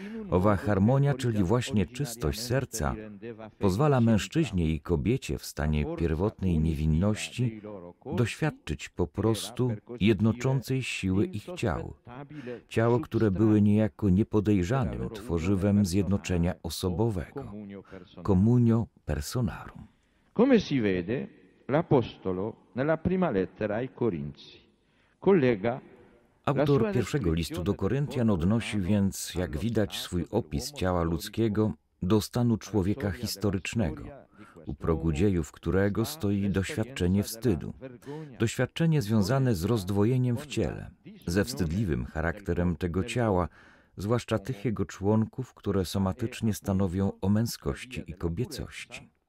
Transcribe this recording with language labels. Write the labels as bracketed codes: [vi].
[pl] Owa harmonia, czyli właśnie czystość serca, pozwala mężczyźnie i kobiecie w stanie pierwotnej niewinności doświadczyć po prostu jednoczącej siły ich ciał. Ciało, które były niejako niepodejrzanym tworzywem zjednoczenia osobowego. [la] Communio personarum. [it] Come si vede, l'apostolo nella prima lettera ai Corinzi collega. [pl] Autor pierwszego listu do Koryntian odnosi więc, jak widać, swój opis ciała ludzkiego do stanu człowieka historycznego, u progu dziejów którego stoi doświadczenie wstydu. Doświadczenie związane z rozdwojeniem w ciele, ze wstydliwym charakterem tego ciała, zwłaszcza tych jego członków, które somatycznie stanowią o męskości i kobiecości.